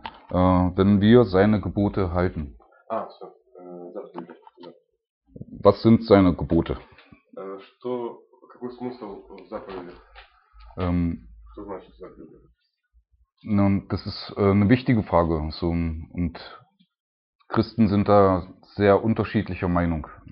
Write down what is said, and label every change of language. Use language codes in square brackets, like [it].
[de] Wenn wir seine Gebote halten. Ah, so. Заповідей. Was sind seine Gebote? [ru] Что, какой смысл в заповедях? Что значит заповедь? [de] Nun, das ist eine wichtige Frage. So, und Christen sind da sehr unterschiedlicher Meinung.